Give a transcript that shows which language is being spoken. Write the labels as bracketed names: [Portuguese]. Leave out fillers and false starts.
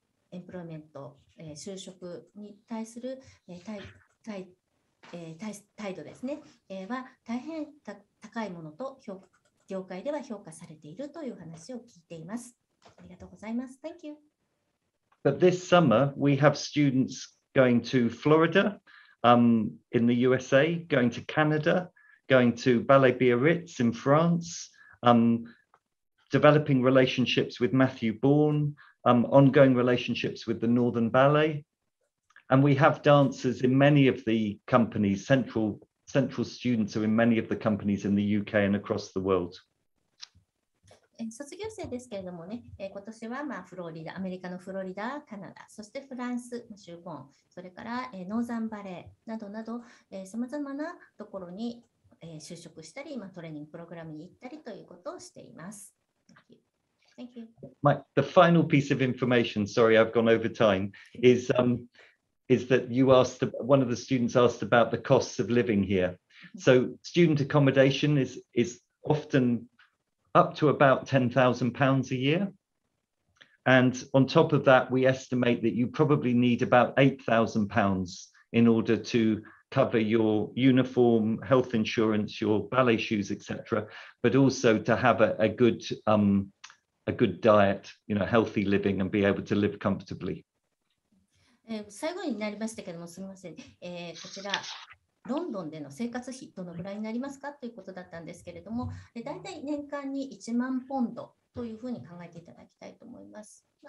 [Japanese] エンプロイメント、就職に対する、態度ですね、は大変高いものと業界では評価されているという話を聞いています。ありがとうございます。 [English] Thank you. But this summer, we have students going to Florida, in the USA, going to Canada, going to Ballet Biarritz in France, developing relationships with Matthew Bourne, ongoing relationships with the Northern Ballet. And we have dancers in many of the companies, central students are in many of the companies in the UK and across the world. [Japanese] 卒業生ですけれどもね、今年はまあフロリダ、アメリカのフロリダ、カナダ、そしてフランス、シューボン、それからノーザンバレーなどなど、さまざまなところに就職したり、トレーニングプログラムに行ったりということをしています。 [English] Thank you. Thank you. The final piece of information, sorry, I've gone over time, is, is that you asked, one of the students asked about the costs of living here. So student accommodation is often up to about £10,000 a year. And on top of that, we estimate that you probably need about £8,000 in order to cover your uniform, health insurance, your ballet shoes, etc. But also to have a good diet, you know, healthy living and be able to live comfortably. [Japanese] 最後になりましたけども、すみません、こちら、ロンドンでの生活費、どのぐらいになりますかということだったんですけれども、大体年間に1万ポンドというふうに考えていただきたいと思います。